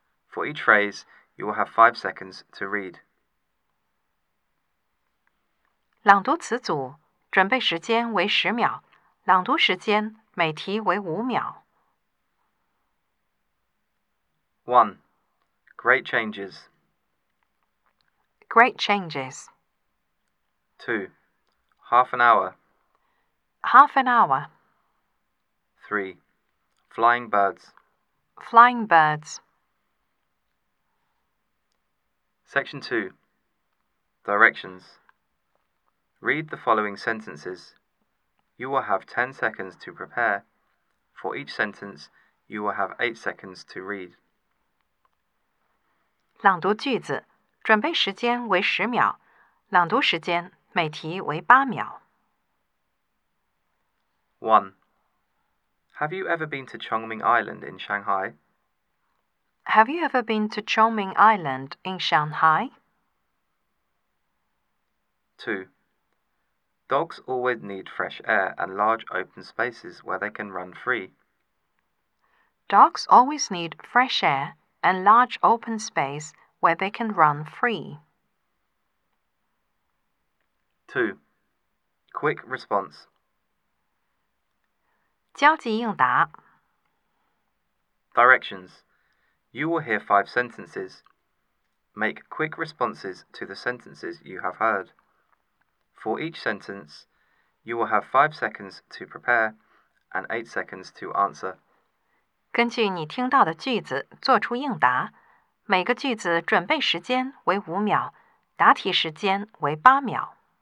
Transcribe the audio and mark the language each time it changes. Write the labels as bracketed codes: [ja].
[en] For each phrase, you will have 5 seconds to read. [zh] 朗读词组，准备时间为10秒，朗读时间每题为5秒。 [en] 1. Great changes. Great changes. 2. Half an hour. Half an hour. 3. Flying birds. Flying birds. Section 2. Directions. Read the following sentences. You will have 10 seconds to prepare. For each sentence, you will have 8 seconds to read. [zh] 朗读句子，准备时间为10秒，朗读时间每题为8秒。 [en] 1. Have you ever been to Chongming Island in Shanghai? Have you ever been to Chongming Island in Shanghai? 2. Dogs always need fresh air and large open spaces where they can run free. Dogs always need fresh air and large open space where they can run free. 2. Quick response. [zh] 交际应答。 [en] Directions. You will hear 5 sentences. Make quick responses to the sentences you have heard. For each sentence, you will have 5 seconds to prepare and 8 seconds to answer. [zh] 根据你听到的句子做出应答。每个句子准备时间为5秒，答题时间为8秒。